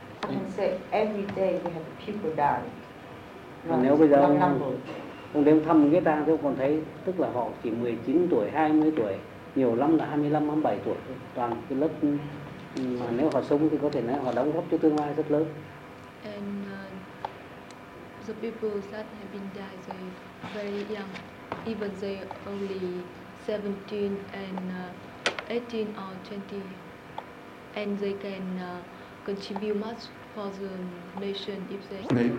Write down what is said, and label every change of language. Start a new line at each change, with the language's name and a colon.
English: I can say every day we have people die.
Vietnamese: Nếu bây giờ ông đến thăm cái tang thì ông còn thấy, tức là họ chỉ 19 tuổi, 20 tuổi, nhiều lắm là 25, 27 tuổi, toàn cái lớp mà nếu họ sống thì có thể nói họ đóng góp cho tương lai rất lớn.
English: And the people that have been died, they very young. Even they only 17 and 18 or 20, and they can contribute much for the nation if they.